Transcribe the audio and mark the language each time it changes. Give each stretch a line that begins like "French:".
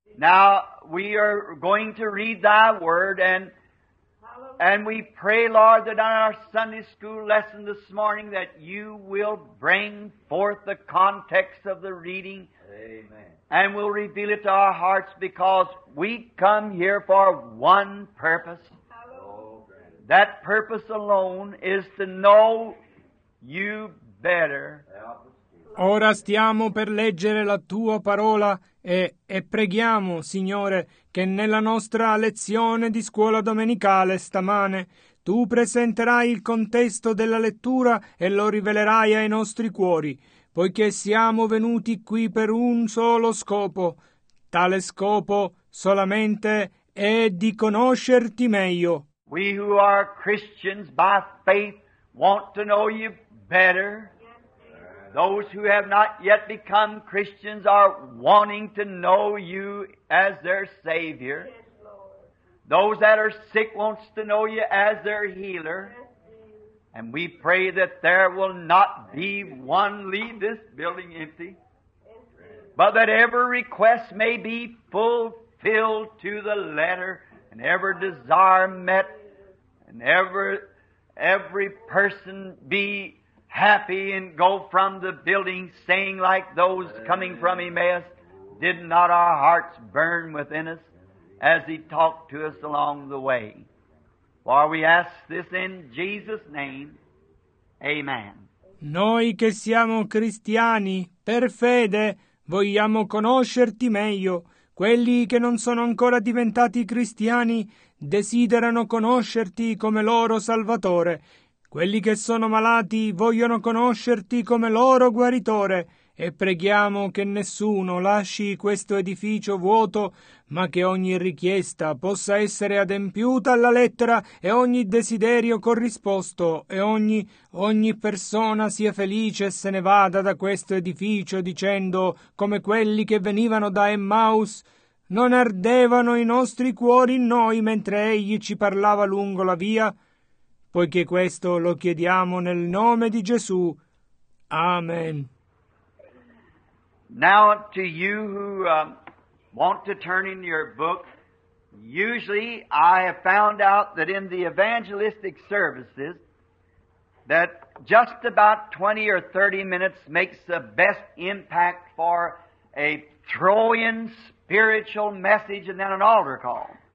English: Now we are going to read thy word, and we pray, Lord, that on our Sunday school lesson this morning that you will bring forth the context of the reading. Amen. And will reveal it to our hearts, because we come here for one purpose. That purpose alone is to know you better.
Italian: Ora stiamo per leggere la tua parola e preghiamo, Signore, che nella nostra lezione di scuola domenicale stamane tu presenterai il contesto della lettura e lo rivelerai ai nostri cuori, poiché siamo venuti qui per un solo scopo. Tale scopo solamente è di conoscerti meglio.
English: We who are Christians by faith want to know you better. Those who have not yet become Christians are wanting to know you as their Savior. Those that are sick wants to know you as their healer. And we pray that there will not be one leave this building empty, but that every request may be fulfilled to the letter, and every desire met, and every person be happy and go from the building saying, like those coming from Emmaus, did not our hearts burn within us as he talked to us along the way? For we ask this in Jesus' name. Amen.
Italian: Noi che siamo cristiani, per fede, vogliamo conoscerti meglio. Quelli che non sono ancora diventati cristiani desiderano conoscerti come loro Salvatore. Quelli che sono malati vogliono conoscerti come loro guaritore, e preghiamo che nessuno lasci questo edificio vuoto, ma che ogni richiesta possa essere adempiuta alla lettera e ogni desiderio corrisposto, e ogni persona sia felice e se ne vada da questo edificio dicendo, come quelli che venivano da Emmaus: non ardevano i nostri cuori in noi mentre egli ci parlava lungo la via? Poiché questo lo chiediamo nel nome di Gesù. Amen.
English: Now to you who want to turn in your book, usually I have found out that in the evangelistic services that just about 20 or 30 minutes makes the best impact for a throw-in spiritual message and then an altar call.